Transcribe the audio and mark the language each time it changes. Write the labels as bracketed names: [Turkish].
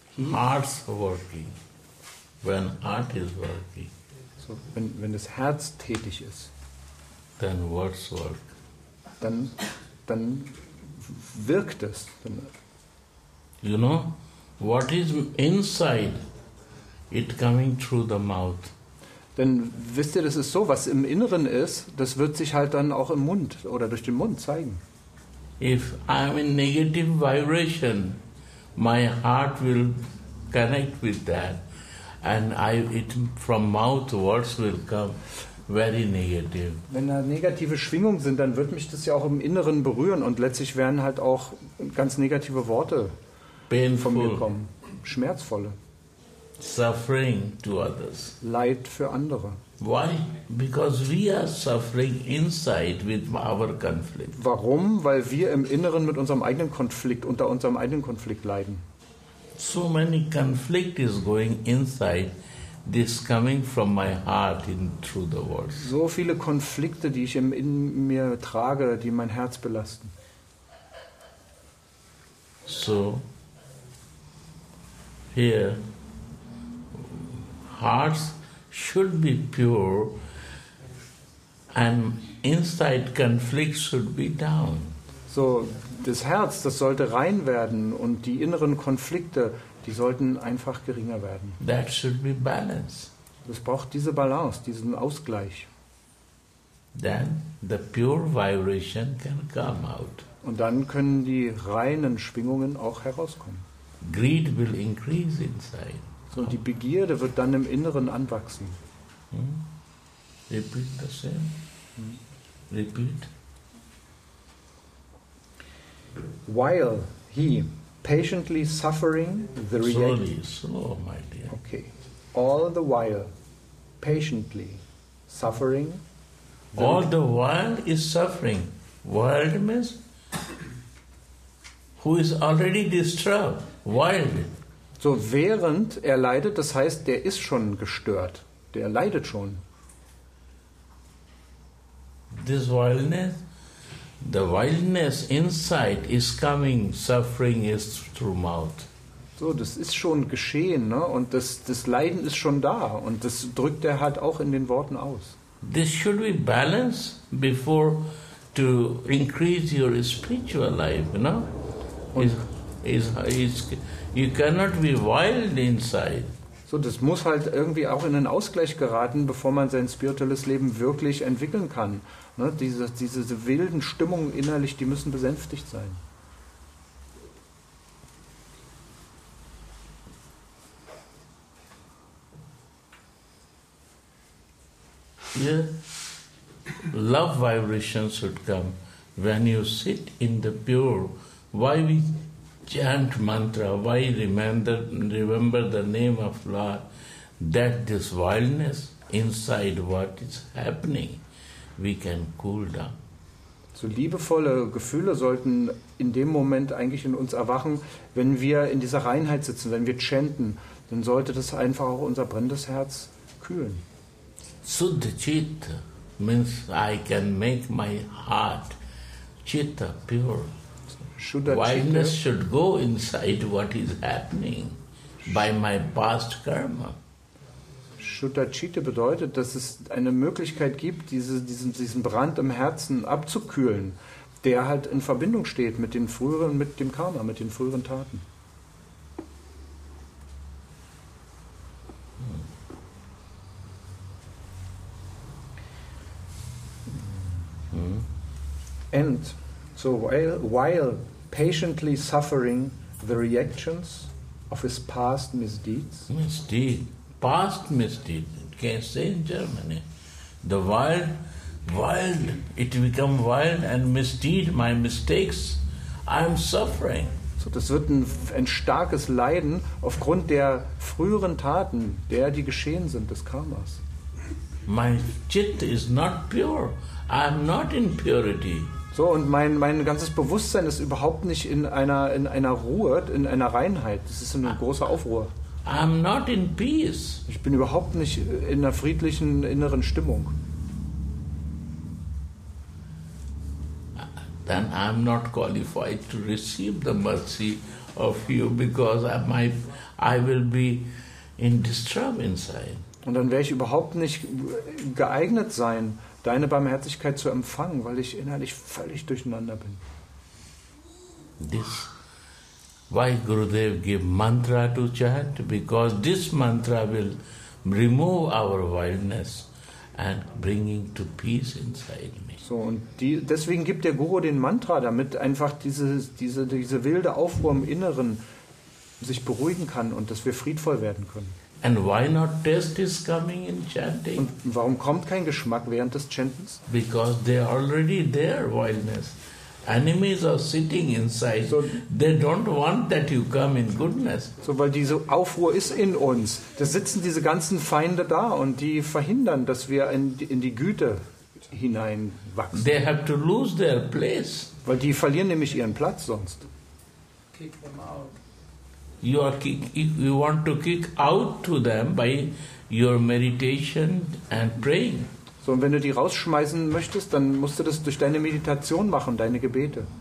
[English] Heart's working. When heart is working. So, when [German] das Herz tätig ist, [English] then words work. [German] Dann wirkt es. [English] You know, what is inside, it coming through the mouth. [German] Denn wisst ihr, das ist so, was im Inneren ist, das wird sich halt dann auch im Mund oder durch den Mund zeigen. [English] If I am in negative vibration, my heart will connect with that, and from mouth words will come. Very negative. [German] Wenn da negative Schwingungen sind, dann wird mich das ja auch im Inneren berühren und letztlich werden halt auch ganz negative Worte [English] painful, [German] von mir kommen. Schmerzvolle. [English] Suffering to others. [German] Leid für andere. [English] Why? Because we are suffering inside with our conflict. [German] Warum? Weil wir im Inneren mit unserem eigenen Konflikt, unter unserem eigenen Konflikt leiden. [English] So many conflict is going inside. This coming from my heart in through the words. [German] So viele Konflikte, die ich in mir trage, die mein Herz belasten. [English] So, here, hearts should be pure, and inside conflict should be down. [German] So, das Herz, das sollte rein werden, und die inneren Konflikte, die sollten einfach geringer werden. [English] That should be balance. [German] Das braucht diese Balance, diesen Ausgleich. [English] Then the pure vibration can come out. [German] Und dann können die reinen Schwingungen auch herauskommen. [English] Greed will increase inside. [German] So, und die Begierde wird dann im Inneren anwachsen. [English] Repeat the same. Repeat. While he, patiently suffering the reality. Slowly, my dear. Okay. All the while, patiently suffering. All the world is suffering. World means who is already disturbed. Wild. [German] So während er leidet, das heißt, der ist schon gestört. Der leidet schon. [English] This wildness, the wildness inside is coming, suffering is through mouth. [German] So, das ist schon geschehen, ne? Und das Leiden ist schon da. Und das drückt er halt auch in den Worten aus. [English] This should be balanced before to increase your spiritual life, you know? You cannot be wild inside. [German] So, das muss halt irgendwie auch in den Ausgleich geraten, bevor man sein spirituelles Leben wirklich entwickeln kann. Ne? Diese wilden Stimmungen innerlich, die müssen besänftigt sein. [English] Yeah. Love vibration should come when you sit in the pure. Why we chant mantra, why remember the name of Lord, that this wildness inside what is happening, we can cool down. [German] So liebevolle Gefühle sollten in dem Moment eigentlich in uns erwachen, wenn wir in dieser Reinheit sitzen, wenn wir chanten, dann sollte das einfach auch unser brennendes Herz kühlen. [English] Shuddha chitta means I can make my heart chitta pure. Wildness should go inside what is happening by my past karma. [German] Shuddha chitta bedeutet, dass es eine Möglichkeit gibt, diesen Brand im Herzen abzukühlen, der halt in Verbindung steht mit den früheren, mit dem Karma, mit den früheren Taten. [English] And so while patiently suffering the reactions of his past misdeeds. Misdeed. Past misdeed. It can say in Germany. The wild, it become wild and misdeed, my mistakes, I'm suffering. [German] So das wird ein starkes Leiden aufgrund der früheren Taten, der die geschehen sind, des Karmas. [English] My chit is not pure. I'm not in purity. [German] So, und mein ganzes Bewusstsein ist überhaupt nicht in einer Ruhe, in einer Reinheit. Das ist eine große Aufruhr. [English] I'm not in peace. [German] Ich bin überhaupt nicht in einer friedlichen inneren Stimmung. [English] Then I'm not qualified to receive the mercy of you because I will be in disturbance. [German] Und dann werde ich überhaupt nicht geeignet sein, deine Barmherzigkeit zu empfangen, weil ich innerlich völlig durcheinander bin. [English] This, why Gurudev give mantra to chant? Because this mantra will remove our wildness and bringing to peace inside me. [German] So, und deswegen gibt der Guru den Mantra, damit einfach diese wilde Aufruhr im Inneren sich beruhigen kann und dass wir friedvoll werden können. [English] And why not taste is coming in chanting? [German] Und warum kommt kein Geschmack während des Chantens? [English] Because they are already there, wildness. Enemies are sitting inside. So, they don't want that you come in goodness. [German] So, weil diese Aufruhr ist in uns. Da sitzen diese ganzen Feinde da und die verhindern, dass wir in die Güte hineinwachsen. [English] They have to lose their place. [German] Weil die verlieren nämlich ihren Platz sonst. [English] Kick them out. You want to kick out to them by your meditation and praying. [German] So, und wenn du die rausschmeißen möchtest, dann musst du das durch deine Meditation machen, deine Gebete.